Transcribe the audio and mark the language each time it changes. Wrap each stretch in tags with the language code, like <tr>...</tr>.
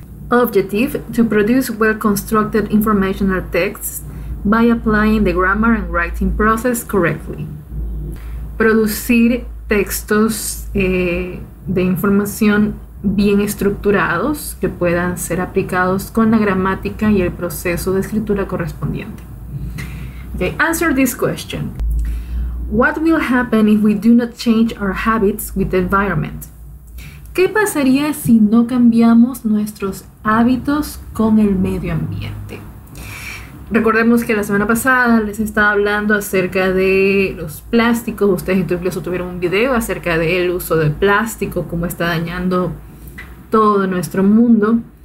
<en>Objective, to produce well-constructed informational texts by applying the grammar and writing process correctly.</en> <es>Producir textos de información bien estructurados que puedan ser aplicados con la gramática y el proceso de escritura correspondiente.</es> <en>Okay, answer this question. What will happen if we do not change our habits with the environment?</en> <es>¿Qué pasaría si no cambiamos nuestros hábitos con el medio ambiente? Recordemos que la semana pasada les estaba hablando acerca de los plásticos. Ustedes incluso tuvieron un video acerca del uso del plástico, cómo está dañando todo nuestro mundo.</es>